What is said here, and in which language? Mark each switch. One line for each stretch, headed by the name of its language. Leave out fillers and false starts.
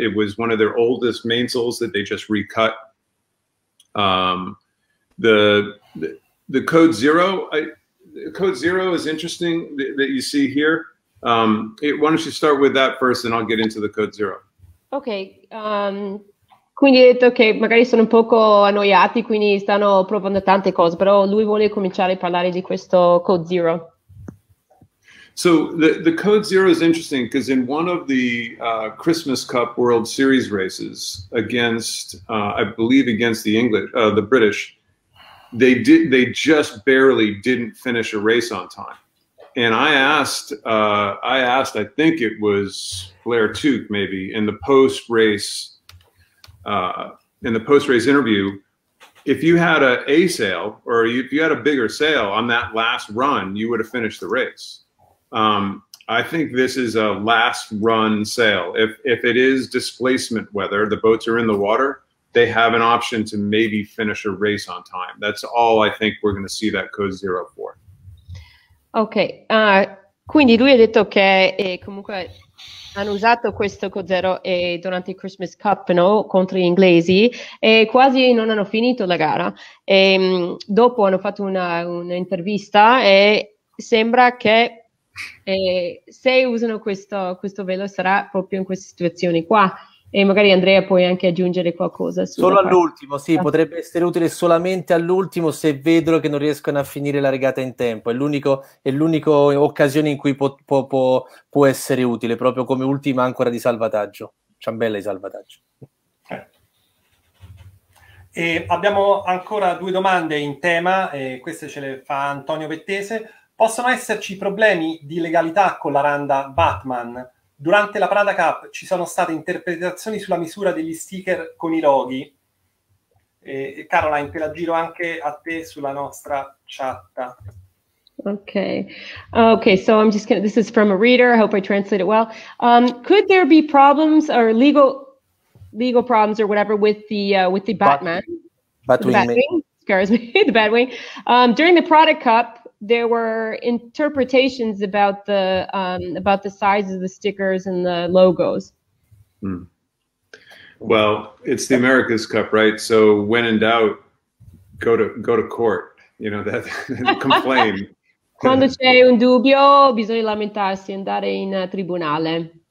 English: It was one of their oldest mainsails that they just recut. The Code Zero is interesting that you see here. Why don't you start with that first and I'll get into the Code Zero. Okay.
Italian: Quindi ha detto che magari sono un poco annoiati, quindi stanno provando tante cose, però lui vuole cominciare a parlare di questo Code Zero.
English: So the Code Zero is interesting because in one of the Christmas Cup World Series races against, I believe against the English, the British, they did, they just barely didn't finish a race on time. And I asked, I think it was Blair Tuke maybe in the post race, interview, if you had a sail or if you had a bigger sail on that last run, you would have finished the race. I think this is a last run sail. If it is displacement weather, the boats are in the water, they have an option to maybe finish a race on time. That's all I think we're going to see that Code Zero for.
Italian: Ok, quindi lui ha detto che comunque hanno usato questo Code Zero durante il Christmas Cup, no, contro gli inglesi, e quasi non hanno finito la gara. E, dopo hanno fatto un'intervista e sembra che se usano questo velo sarà proprio in queste situazioni qua. E magari Andrea puoi anche aggiungere qualcosa. Solo all'ultimo, sì, potrebbe essere utile solamente all'ultimo se vedono che non riescono a finire la regata in tempo. È l'unico occasione in cui può essere utile, proprio come ultima ancora di salvataggio. Ciambella di salvataggio. E abbiamo ancora due domande in tema, e queste ce le fa Antonio Vettese. Possono esserci problemi di legalità con la randa Batman? Durante la Prada Cup ci sono state interpretazioni sulla misura degli sticker con i roghi. Caroline, te la giro anche a te sulla nostra chat.
English: Okay, so I'm just gonna, this is from a reader. I hope I translate it well. Could there be problems or legal problems or whatever with the Batman? The Batwing. During the Prada Cup, there were interpretations about the size of the stickers and the logos. Well, it's the America's Cup, right? So when in doubt, go to court, you know, that complain.
Italian: Quando c'è un dubbio, bisogna lamentarsi, andare in tribunale.